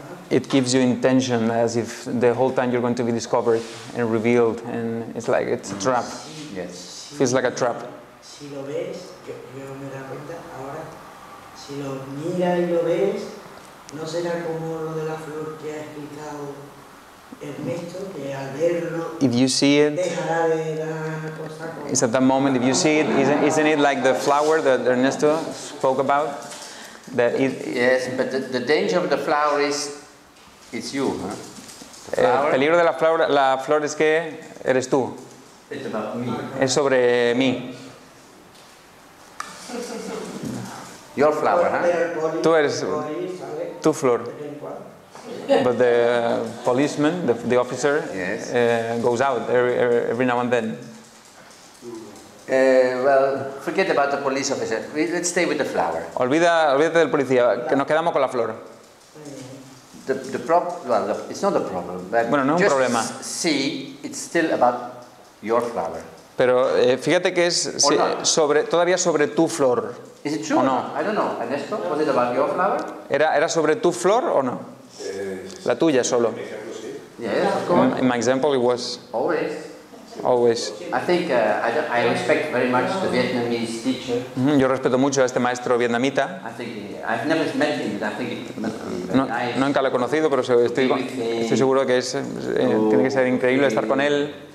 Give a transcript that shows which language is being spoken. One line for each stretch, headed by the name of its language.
English: It gives you intention as if the whole time you're going to be discovered and revealed, and it's like it's a trap. Yes. Feels like a trap.
Spanish: Si lo ves, yo me da cuenta ahora, si lo mira y lo ves, no será como lo de la flor que ha explicado Ernesto, que al verlo,
English: if you see it,
Spanish: dejará de dar cosa como.
English: It's at that moment, if you see it, isn't it like the flower that Ernesto spoke about? That it, yes, but the danger of the flower is, it's you, huh?
Spanish: El peligro de la flor es que eres tú.
English: It's about me.
Spanish: Es sobre mí.
English: Your flower, huh?
Spanish: Tú eres tu flor.
English: But the policeman, the officer, yes, goes out every now and then. Well, forget about the police officer. Let's stay with the flower.
Spanish: Olvídate del policía. Que nos quedamos con la flor.
English: It's not a problem. But
Spanish: bueno, no es un problema.
English: See, it's still about your flower.
Spanish: Pero fíjate que es sobre tu flor.
English: Is it true?
Spanish: ¿O no?
English: I don't know. Ernesto, was it about your flower?
Spanish: Era sobre tu flor o no? La tuya solo.
English: Yes, of course. In my example, it was always. I think I respect very much the Vietnamese teacher.
Spanish: Yo respeto mucho a este maestro vietnamita.
English: I've never met him, but I think
Spanish: no, nunca lo he conocido, pero estoy seguro que es tiene que ser increíble estar con él.